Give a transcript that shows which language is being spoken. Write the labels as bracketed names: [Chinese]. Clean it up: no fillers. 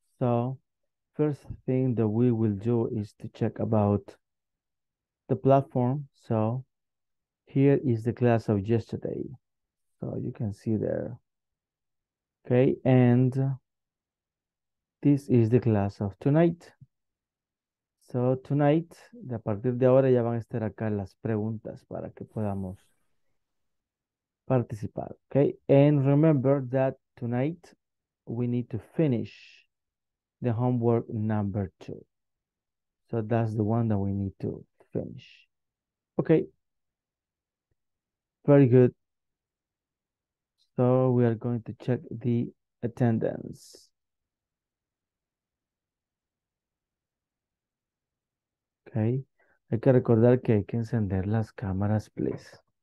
[English] So first thing that we will do is to check about the platform. So here is the class of yesterday. So you can see there. Okay, and this is the class of tonight. So tonight, [Spanish] a partir de ahora ya van a estar acá las preguntas para que podamos [English] participate. Okay, and remember that tonight we need to finish the homework number 2. So that's the one that we need to finish. Okay, very good. So we are going to check the attendance. [Spanish] Okay, hay que recordar que hay que encender las cámaras, [English] please.